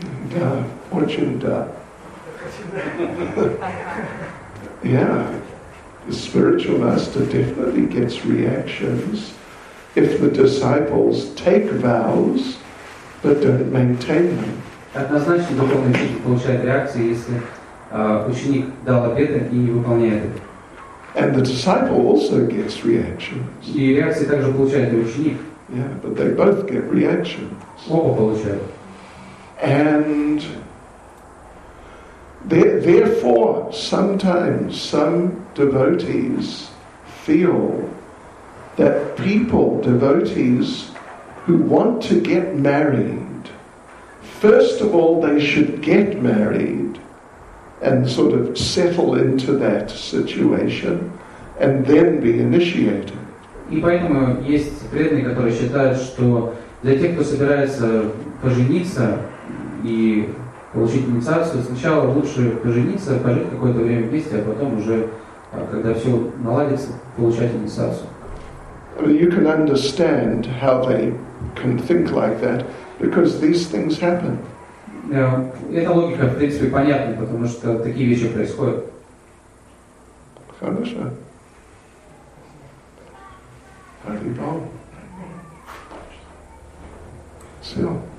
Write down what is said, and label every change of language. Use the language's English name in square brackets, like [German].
[Russian] Да, очень да. [English] Yeah, the spiritual master definitely gets reactions if the disciples take vows but don't maintain them. [Russian] Однозначно духовный учитель получает реакции, если ученик дал обет и не выполняет их. [English] And the disciple also gets reactions. [Russian] И реакции также получает и ученик. [English] Yeah, but they both get reactions. [Russian] Оба получают. [English] And therefore, sometimes some devotees feel that people, devotees, who want to get married, first of all, they should get married and sort of settle into that situation, and then be initiated. [Russian] И поэтому есть преданные, которые считают, что для тех, кто собирается пожениться и получить инициацию, сначала лучше пожениться, пожить какое-то время вместе, а потом уже, когда все наладится, получать инициацию. [English] You can understand how they can think like that, because these things happen. [Russian] Эта логика, в принципе, понятна, потому что такие вещи происходят. Хорошо. [Sanskrit] Hare Bol. [Russian] Все.